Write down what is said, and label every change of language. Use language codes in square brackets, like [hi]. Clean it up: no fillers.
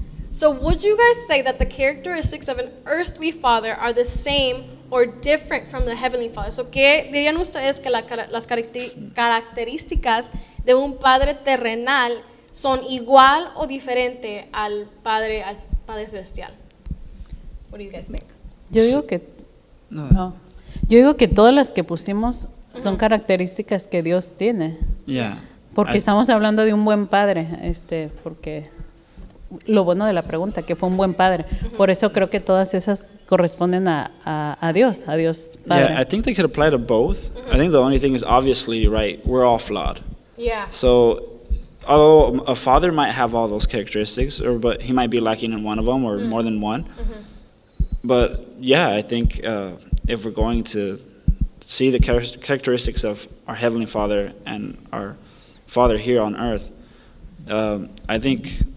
[en] So would you guys say that the characteristics of an earthly father are the same or different from the heavenly father? [es] So ¿qué dirían ustedes que las características de un padre terrenal son igual o diferente al padre celestial? [en] What do you guys think? [es] Yo digo que todas las que pusimos son características que Dios tiene. [en] Yeah. [es] Porque estamos hablando de un buen padre, porque lo bueno de la pregunta, que fue un buen padre. Por eso creo que todas esas corresponden a Dios Padre. [en] Yeah, I think they could apply to both. I think the only thing is obviously, right, we're all flawed. Yeah. So, although a father might have all those characteristics, but he might be lacking in one of them or more than one. But, yeah, I think if we're going to see the characteristics of our Heavenly Father and our Father here on Earth, I think...